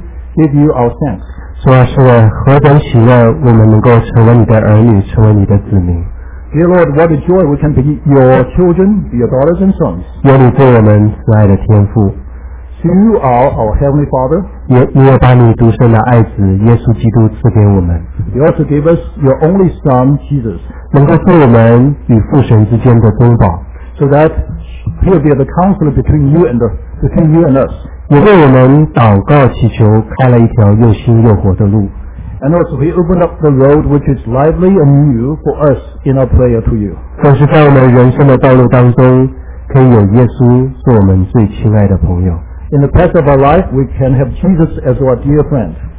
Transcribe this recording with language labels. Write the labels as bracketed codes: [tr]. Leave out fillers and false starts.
[zh] 主啊, 何等喜乐, 我们能够成为你的儿女, [en] Dear Lord, what a joy we can be your children, your daughters and sons. [zh] 有你对我们慈爱的天父, [en] you are our Heavenly Father. [zh] 你也把你独生的爱子, 耶稣基督赐给我们, [en] you also give us your only Son, Jesus. [zh] 能够做我们与父神之间的中保, [en] so that he'll be the counselor between you and between you and us. [zh] 也为我们祷告祈求开了一条又新又活的路。 [en] And also he opened up the road which is lively and new for us in our prayer to you. [zh] 总是在我们人生的道路当中可以有耶稣做我们最亲爱的朋友。 [en] In the path of our life, we can have Jesus as our dear friend.